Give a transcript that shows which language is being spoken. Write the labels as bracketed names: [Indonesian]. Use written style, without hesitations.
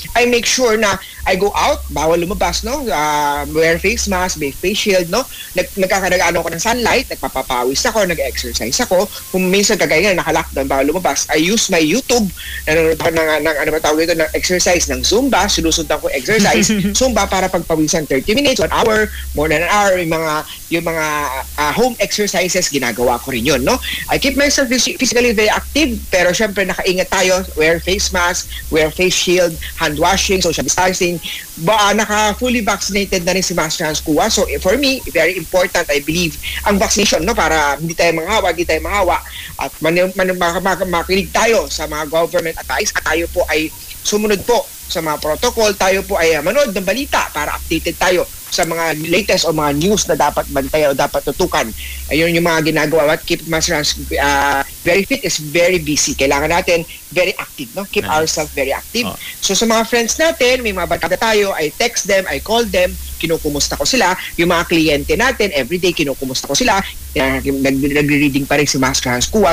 [English] I make sure na I go out, [Filipino] bawal lumabas, [English] no? Wear face mask, may face shield, no? [Filipino] Nagkakaragaan ako ng sunlight, nagpapapawis ako, nag-exercise ako. Kung minsan kagaya na naka-lockdown, bawal lumabas, I use my YouTube, ng exercise, ng Zumba, sinusundan ko exercise, Zumba para pagpawisan [English] 30 minutes, 1 hour, more than an hour, [Filipino] yung mga home exercises, ginagawa ko rin yun, no? [English] I keep myself physically very active, [Filipino] pero syempre, nakaingat tayo, [English] wear face mask, wear face shield, hand washing, social distancing, naka-fully vaccinated na rin si Master Hans Kuwa. So, for me, very important, I believe, ang vaccination, no? [Filipino] Para hindi tayo manghawa, hindi tayo manghawa. At makinig tayo sa mga government advice. At tayo po ay sumunod po sa mga protocol. Tayo po ay manood ng balita para updated tayo sa mga latest o mga news na dapat bantayan o dapat tutukan. Ayun yung mga ginagawa. [English] At keep Master Hans very fit is very busy. [Filipino] Kailangan natin [English] very active, no? Keep ourselves very active. [Filipino] Oh. So sa mga friends natin, may mga barkada tayo, [English] I text them, I call them, [Filipino] kinukumusta ko sila. Yung mga kliyente natin, everyday kinukumusta ko sila. Nag-reading pa rin si Master Hans Kuwa.